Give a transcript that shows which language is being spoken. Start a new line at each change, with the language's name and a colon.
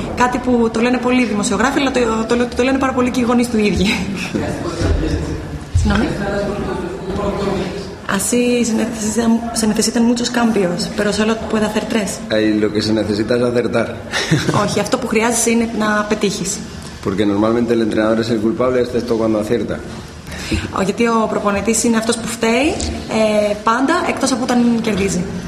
Greek: Κάτι που το λένε πολλοί δημοσιογράφοι, αλλά το λένε πάρα πολλοί και οι γονείς του ίδιοι. Συγγνώμη.
Spanish: Así se necesitan muchos cambios, pero solo puede hacer tres. Ahí lo que se necesita es acertar.
Greek: Όχι, αυτό που χρειάζεσαι είναι να πετύχεις.
Spanish: Porque normalmente el entrenador es el culpable, excepto cuando acierta.
Greek: Γιατί ο προπονητής είναι αυτός που φταίει πάντα, εκτός από όταν κερδίζει.